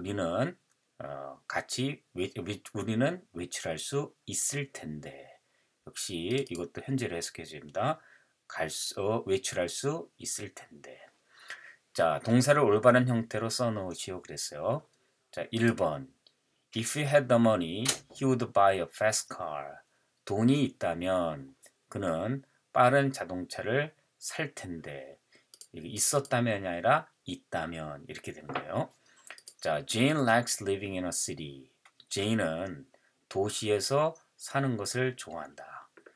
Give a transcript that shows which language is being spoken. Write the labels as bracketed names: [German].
[Korean] 우리는 같이 우리는 외출할 수 있을 텐데. 역시 이것도 현재로 해석해 줍니다. 외출할 수 있을 텐데. 자, 동사를 올바른 형태로 써 놓으시오 그랬어요. 자, 1번. [English] If he had the money, he would buy a fast car. [Korean] 돈이 있다면 그는 빠른 자동차를 살 텐데. 있었다면이 아니라 있다면 이렇게 된 거예요. [English] 자, Jane likes living in a city. [Korean] 제인은 도시에서 사는 것을 좋아한다.